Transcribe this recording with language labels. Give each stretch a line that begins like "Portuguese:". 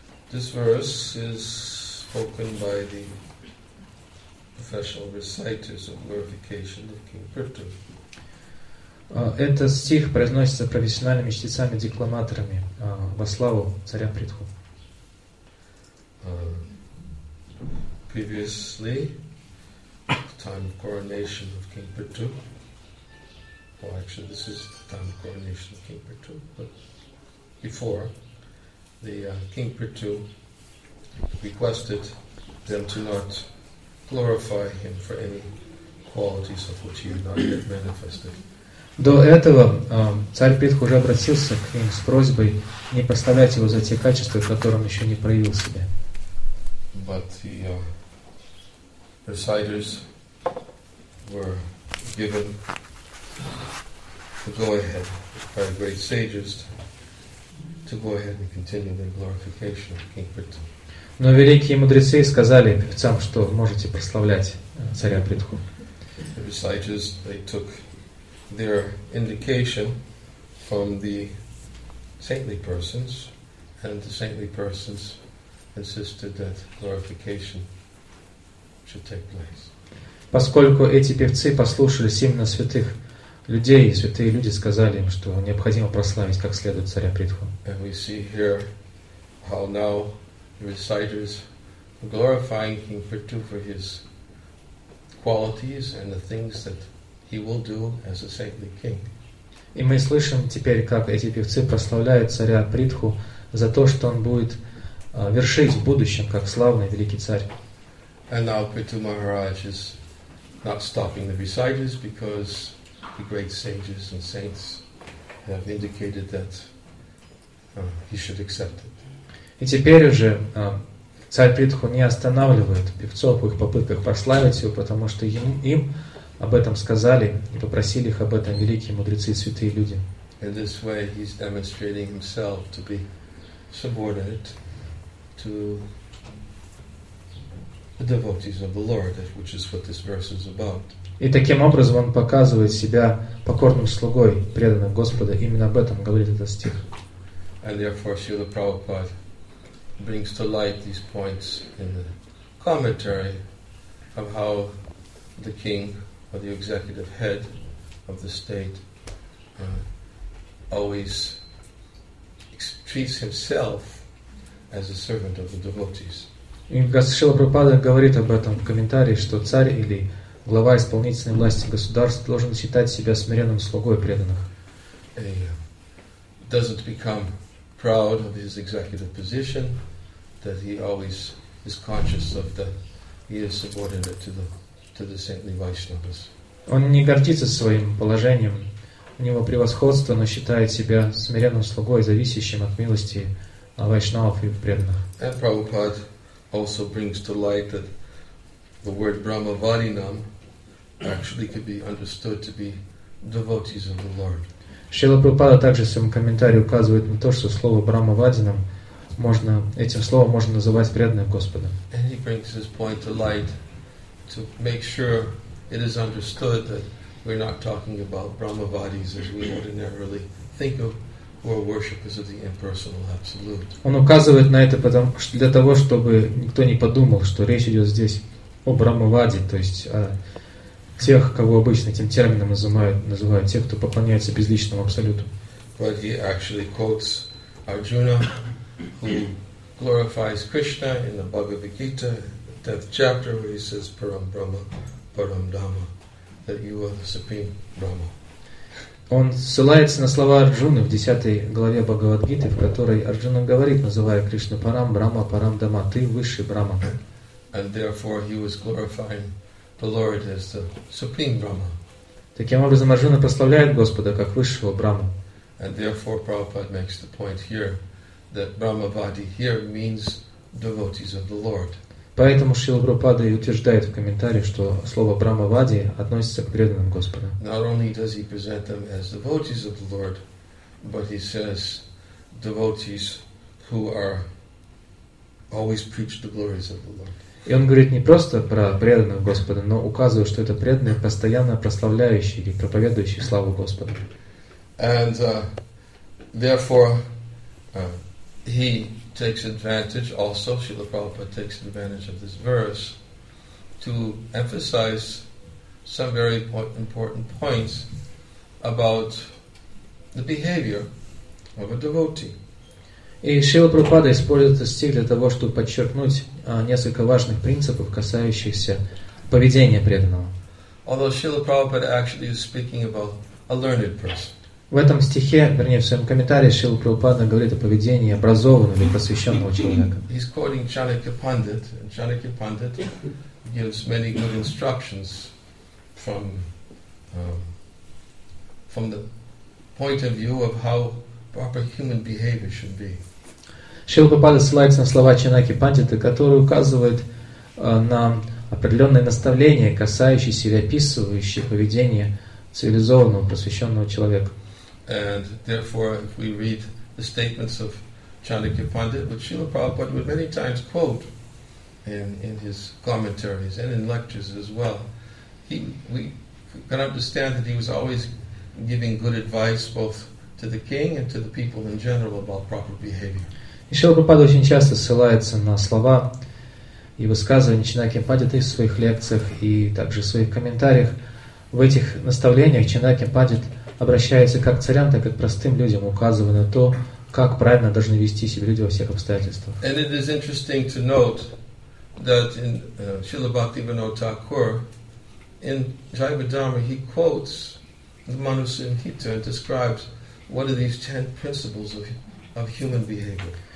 English: This verse is spoken by the professional reciters of glorification of King Prithu.
Russian: Этот стих произносится профессиональными чтецами-декламаторами во славу царя Притху.
English: Previously, the time of coronation of King Prithu. Well, actually, this is the time of coronation of King Prithu. But before, the King Prithu requested them to not glorify him for any qualities of which he had not yet manifested.
Russian: До этого царь Притху уже обратился к ним с просьбой не поставлять его за те качества, которым еще не проявил себя.
English: But the reciters were given the go-ahead by the great sages to go ahead and continue their glorification of King Prithu.
Russian: Но великие мудрецы сказали певцам, что можете прославлять царя Притху.
English: Reciters, they took their indication from the saintly persons, and the saintly persons insisted that glorification should take place.
Russian: Поскольку эти певцы послушались именно святых людей, и святые люди сказали им, что необходимо прославить как следует царя Притху.
English: And we see here how now the reciters are glorifying King Prithu for his qualities and the things that he will do as a saintly king.
Russian: И мы слышим теперь, как эти певцы прославляют царя Притху за то, что он будет вершить в будущем как славный великий царь.
English: And now Prithu Maharaj is not stopping the reciters because the great sages and saints have indicated that he should accept it.
Russian: И теперь уже царь Притху не останавливает певцов в их попытках прославить его, потому что им об этом сказали и попросили их об этом великие мудрецы и святые люди.
English: In this way he's demonstrating himself to be subordinate to the devotees of the Lord, which is what this verse is about.
Russian: И таким образом он показывает себя покорным слугой преданным Господа. Именно об этом говорит этот стих.
English: And therefore Srila Prabhupada brings to light these points in the commentary of how the king or the executive head of the state always treats himself as a servant of the devotees.
Russian: Srila Prabhupada говорит об этом в комментарии, что царь или глава исполнительной власти государства должен считать себя смиренным слугой преданных.
English: He doesn't become proud of his executive position, that he always is conscious of that he is subordinate to the saintly Vaishnavas.
Russian: Он не гордится своим положением, у него превосходство, но считает себя смиренным слугой, зависящим от милости вайшнавов и преданных.
English: And Prabhupada also brings to light that the word Brahmavadinam actually could be understood to be devotees of the Lord.
Russian: Шрила Прабхупада также в своем комментарии указывает на то, что слово Брахмавадинам можно этим словом можно называть преданным Господом.
English: And he brings his point to light to make sure it is understood that we're not talking about Brahmavadis as we ordinarily think of. Or worship is of the impersonal absolute.
Russian: Он указывает на это потому, что для того, чтобы никто не подумал, что речь идет здесь о Брахмаваде, то есть о тех, кого обычно этим термином называют тех, кто поклоняется безличному абсолюту.
English: But he actually quotes Arjuna, who glorifies Krishna in the Bhagavad Gita, the 10th chapter, where he says
Sanskrit: Param Brahma, Param Dhamma,
English: that you are the supreme Brahma.
Russian: Он ссылается на слова Арджуны в 10 главе Бхагавадгиты, в которой Арджуна говорит, называя Кришну
Sanskrit: Парам Брахма Парам Дама,
Russian: ты высший Брахма.
English: And therefore he was glorifying the Lord as the supreme Brahma.
Russian: Таким образом, Арджуна прославляет Господа как высшего Брахма.
English: And therefore Prabhupada makes the point here that Brahmavadi here means devotees of the Lord.
Russian: Поэтому Шрила Прабхупада и утверждает в комментарии, что слово «брахмавади» относится к преданным Господа.
English: Not only does he present them as devotees of the Lord, but he says devotees who are always preach the glories of the Lord.
Russian: И он говорит не просто про преданных Господа, но указывает, что это преданные, постоянно прославляющие или проповедующие славу Господа.
English: And therefore he takes advantage also, Srila Prabhupada takes advantage of this verse to emphasize some very important points about the behavior of a devotee.
Russian: И Шрила Прабхупада использует этот стих для того, чтобы подчеркнуть несколько важных принципов, касающихся поведения преданного.
English: Although Srila Prabhupada actually is speaking about a learned person.
Russian: В этом стихе, вернее, в своем комментарии Шрила Прабхупада говорит о поведении образованного или посвященного человека.
English: He's quoting Chanakya Pandit, and Chanakya Pandit gives many good instructions from the point of view of how proper human behavior should be.
Russian: Шрила Прабхупада ссылается на слова Чанаки Пандита, которые указывают на определенные наставления, касающиеся или описывающие поведение цивилизованного, посвященного человека.
English: And therefore, if we read the statements of Chanakya Pandit, which Srila Prabhupada would many times quote in his commentaries and in lectures as well, we can understand that he was always giving good advice both to the king and to the people in general about proper behavior.
Russian: Srila Prabhupada очень часто ссылается на слова и высказывания Чанакья Пандита в своих лекциях и также в своих комментариях. В этих наставлениях Чанакья Пандит обращается как к царям, так и к простым людям, указывая на то, как правильно должны вести себя люди во всех обстоятельствах.
English: And it is interesting to note that in Srila Bhaktivinoda Thakur, in Jiva Dharma, he quotes the Manusimhita and describes what are these 10 principles of human behavior.